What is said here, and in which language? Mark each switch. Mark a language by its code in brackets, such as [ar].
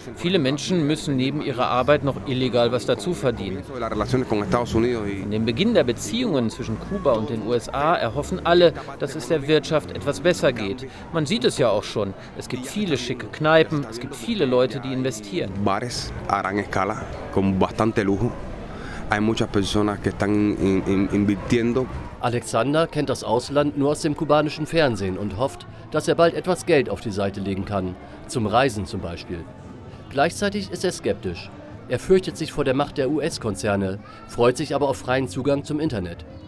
[de] Viele Menschen müssen neben ihrer Arbeit noch illegal was dazu verdienen. In dem Beginn der Beziehungen zwischen Kuba und den USA erhoffen alle, dass es der Wirtschaft etwas besser geht. Man sieht es ja auch schon. Es gibt viele schicke Kneipen, es gibt viele Leute, die investieren. [es] Bares a gran escala, con bastante lujo. Hay muchas personas que están invirtiendo. [de] Alexander kennt das Ausland nur aus dem kubanischen Fernsehen und hofft, dass er bald etwas Geld auf die Seite legen kann, zum Reisen zum Beispiel. Gleichzeitig ist er skeptisch. Er fürchtet sich vor der Macht der US-Konzerne, freut sich aber auf freien Zugang zum Internet.